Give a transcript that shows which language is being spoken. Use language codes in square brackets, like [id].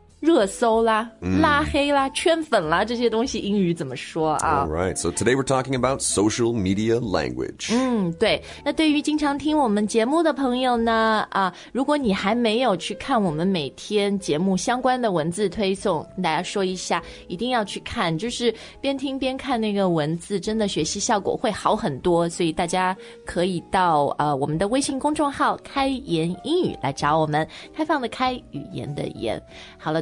[zh] 热搜啦、拉黑啦、圈粉啦，这些东西英语怎么说啊 [en] ？All right, so today we're talking about social media language. [zh] 对。那对于经常听我们节目的朋友呢，如果你还没有去看我们每天节目相关的文字推送，跟大家说一下，一定要去看，就是边听边看那个文字，真的学习效果会好很多。所以大家可以到我们的微信公众号"开言英语"来找我们，开放的开，语言的言。好了。